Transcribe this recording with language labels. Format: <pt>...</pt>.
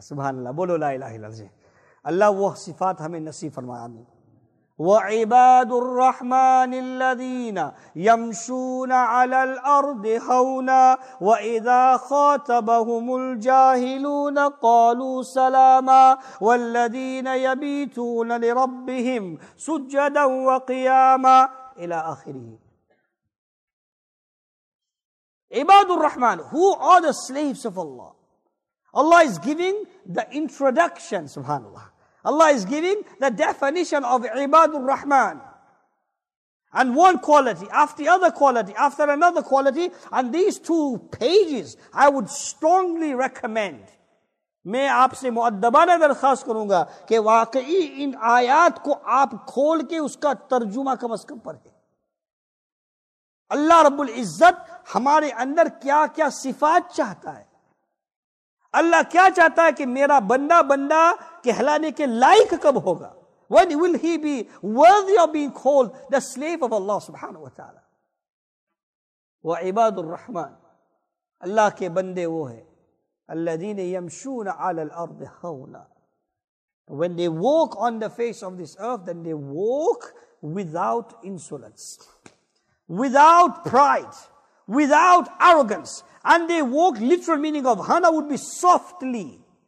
<ur>سبحان اللہ, بولو لا الہ الا اللہ. اللہ وہ صفات ہمیں نصیب فرمایا. آمین.</ur> <ar>وعباد الرحمن الذين يمشون على الأرض هونا وإذا خاطبهم الجاهلون قالوا سلاما والذين يبيتون لربهم سجدا وقياما إلى آخره.</ar> <en>Ibadur Rahman, who are the slaves of Allah? Allah is giving the introduction, subhanAllah. Allah is giving the definition of Ibadur Rahman. And one quality after the other quality after another quality. And these two pages I would strongly recommend.</en> <ur>میں آپ سے مؤدبانہ درخواست کروں گا کہ واقعی ان آیات کو آپ کھول کے اس کا ترجمہ کم از کم پڑھیں. اللہ رب العزت ہمارے اندر کیا کیا صفات چاہتا ہے, اللہ کیا چاہتا ہے کہ میرا بندہ بندہ کہلانے کے لائق کب ہوگا.</ur> <en>When will he be worthy of being called the slave of Allah subhanahu wa ta'ala.</en> <ar>وَعِبَادُ الرَّحْمَانِ,</ar> <ur>اللہ کے بندے وہ ہیں.</ur> <ar>الَّذِينَ يَمْشُونَ عَلَى الْأَرْضِ هَوْنًا,</ar> <en>when they walk on the face of this earth, then they walk without insolence, without pride, without arrogance, and they walk, literal meaning of hana would be softly.</en>